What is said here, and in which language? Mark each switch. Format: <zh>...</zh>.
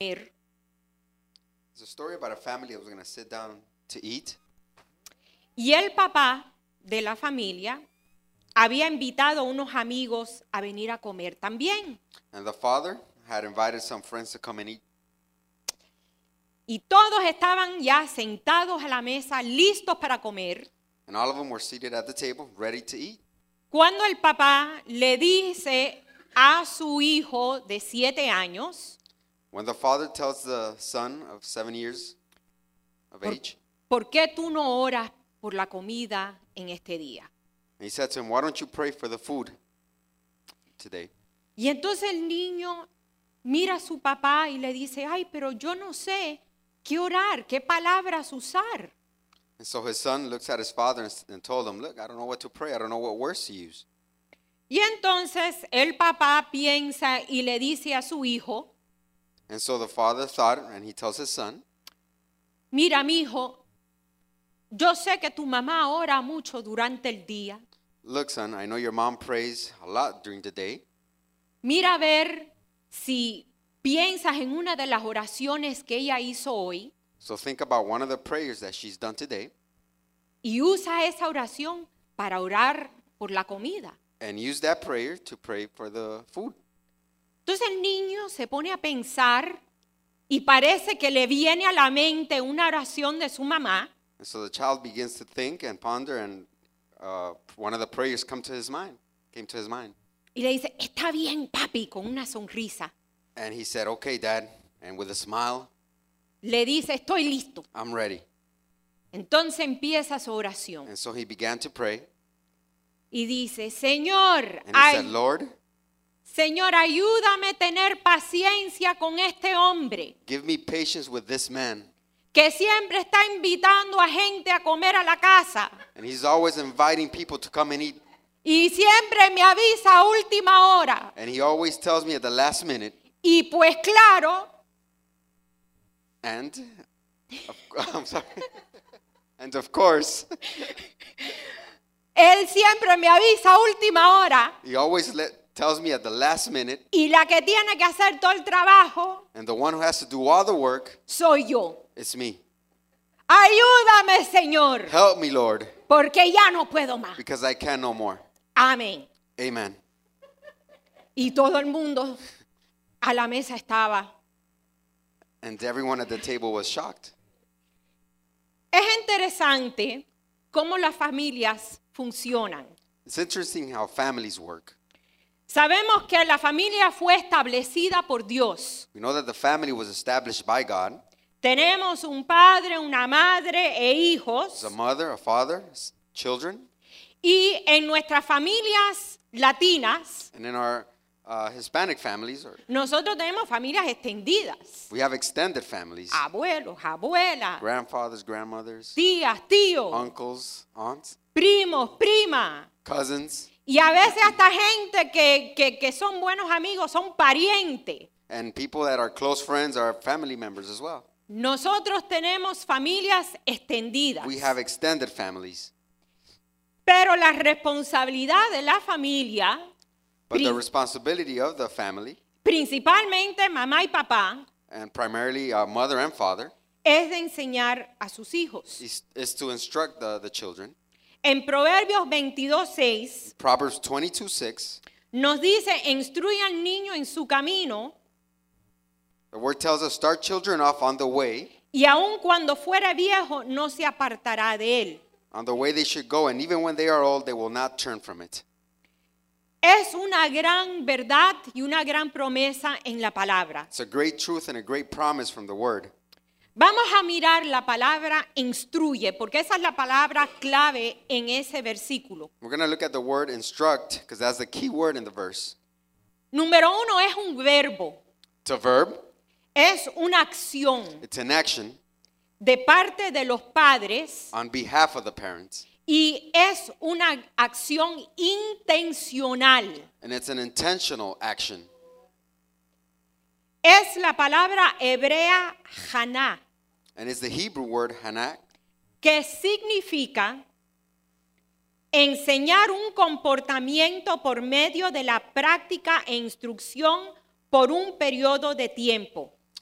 <en>It's a story about a family that was going to sit down to eat.</en> <es>Y el papá de la familia había invitado unos amigos a venir a comer también.</es> <en>And the father had invited some friends to come and eat.</en> <es>Y todos estaban ya sentados a la mesa, listos para comer.</es> <en>And all of them were seated at the table, ready to eat.</en> <es>Cuando el papá le dice a su hijo de 7 años.</es> <en>When the father tells the son of 7 years of age.</en> <es>¿Por qué tú no oras por la comida en este día?</es> <en>And he said to him, why don't you pray for the food today?</en> <es>Y entonces el niño mira a su papá y le dice, ay, pero yo no sé qué orar, qué palabras usar.</es> <en>And so his son looks at his father and told him, look, I don't know what to pray. I don't know what words to use.</en> <es>Y entonces el papá piensa y le dice a su hijo.</es> <en>And so the father thought and he tells his son.</en> <es>Mira, mijo, yo sé que tu mamá ora mucho durante el día.</es> <en>Look, son, I know your mom prays a lot during the day.</en> <es>Mira a ver si piensas en una de las oraciones que ella hizo hoy.</es> <en>So think about one of the prayers that she's done today.</en> <es>Y usa esa oración para orar por la comida.</es> <en>And use that prayer to pray for the food.</en> <es>Entonces el niño se pone a pensar y parece que le viene a la mente una oración de su mamá.</es> <en>And so the child begins to think and ponder and one of the prayers came to his mind.</en> <es>Y le dice, está bien, papi, con una sonrisa.</es> <en>And he said, okay, dad. And with a smile.</en> <es>Le dice, estoy listo.</es> <en>I'm ready.</en> <es>Entonces empieza su oración.</es> <en>And so he began to pray.</en> <es>Y dice, Señor, Señor, ayúdame a tener paciencia con este hombre.</es> <en>Give me patience with this man.</en> <es>Que siempre está invitando a gente a comer a la casa.</es> <en>And he's always inviting people to come and eat.</en> <es>Y siempre me avisa a última hora.</es> <en>And he always tells me at the last minute.</en> <es>Y pues claro.</es> <en>And, I'm sorry. And of course.</en> <es>Él siempre me avisa a última hora.</es> <en>He always tells me at the last minute.</en> <es>Y la que tiene que hacer todo el trabajo.</es> <en>And the one who has to do all the work.</en> <es>Soy yo.</es> <en>It's me.</en> <es>Ayúdame, Señor.</es> <en>Help me, Lord.</en> <es>Porque ya no puedo más.</es> <en>Because I can no more.</en> <es>Amén.</es> <en>Amen.</en> <es>Y todo el mundo a la mesa estaba.</es> <en>And everyone at the table was shocked.</en> <es>Es interesante cómo las familias funcionan.</es> <en>It's interesting how families work.</en> <es>Sabemos que la familia fue establecida por Dios.</es> <en>We know that the family was established by God.</en> <es>Tenemos un padre, una madre e hijos.</es> <en>A mother, a father, children.</en> <es>Y en nuestras familias latinas.</es> <en>And in our Hispanic families.</en> <es>Nosotros tenemos familias extendidas.</es> <en>We have extended families.</en> <es>Abuelos, abuelas.</es> <en>Grandfathers, grandmothers.</en> <es>Tías, tíos.</es> <en>Uncles, aunts.</en> <es>Primos, prima.</es> <en>Cousins.</en> <es>Y a veces hasta gente que son buenos amigos, son parientes.</es> <en>And people that are close friends are family members as well.</en> <es>Nosotros tenemos familias extendidas.</es> <en>We have extended families.</en> <es>Pero la responsabilidad de la familia.</es> <en>But the responsibility of the family.</en> <es>Principalmente mamá y papá.</es> <en>And primarily mother and father.</en> <es>Es de enseñar a sus hijos.</es> <en>Is to instruct the children.</en> <es>En Proverbios 22:6.</es> <en>Proverbs 22:6.</en> <es>Nos dice, instruye al niño en su camino.</es> <en>The word tells us, start children off on the way.</en> <es>Y aun cuando fuera viejo, no se apartará de él.</es> <en>On the way they should go, and even when they are old, they will not turn from it.</en> <es>Es una gran verdad y una gran promesa en la palabra.</es> <en>It's a great truth and a great promise from the word.</en> <es>Vamos a mirar la palabra instruye, porque esa es la palabra clave en ese versículo.</es> <en>We're going to look at the word instruct, because that's the key word in the verse.</en> <es>Número uno es un verbo.</es> <en>It's a verb.</en> <es>Es una acción.</es> <en>It's an action.</en> <es>De parte de los padres.</es> <en>On behalf of the parents.</en> <es>Y es una acción intencional.</es> <en>And it's an intentional action.</en> <es>Es la palabra hebrea haná.</es> <en>And it's the Hebrew word haná.</en> <es>Que significa enseñar un comportamiento por medio de la práctica e instrucción por un periodo de tiempo.</es>